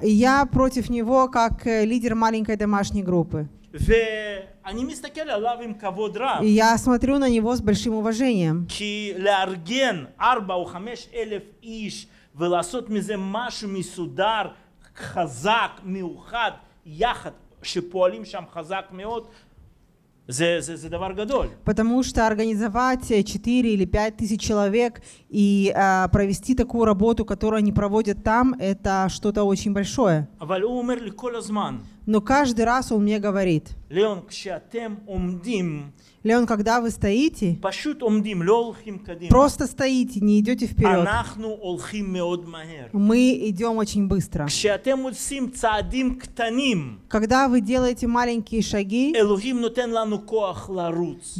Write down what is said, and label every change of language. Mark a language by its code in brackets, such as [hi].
[ru] Я против него как лидер маленькой домашней группы. [he] ואני מסתכל עליו עם כבוד רב. [ru] Я смотрю на него с большим уважением. [he] כי לארגן 4 או 5 אלף איש ולעשות מזה משהו מסודר, חזק, מאוחד, יחד, שפועלים שם חזק מאוד, זה דבר גדול. [ru] Потому что организовать 4 или 5 тысяч человек и провести такую работу, которую они проводят там, это что-то очень большое. [he] אבל הוא אומר לי כל הזמן. [ru] Но каждый раз он мне говорит. [he] Леон, כשאתם עומדים. [ru] Леон, когда вы стоите. [he] פשוט עומדים, לא הולכים קדימה. [ru] Просто стоите, не идете вперед. [he] אנחנו הולכים מאוד מהר. [ru] Мы идем очень быстро. [he] כשאתם עושים צעדים קטנים. [ru] Когда вы делаете маленькие шаги. [he] אלוהים נותן לנו כוח לרוץ.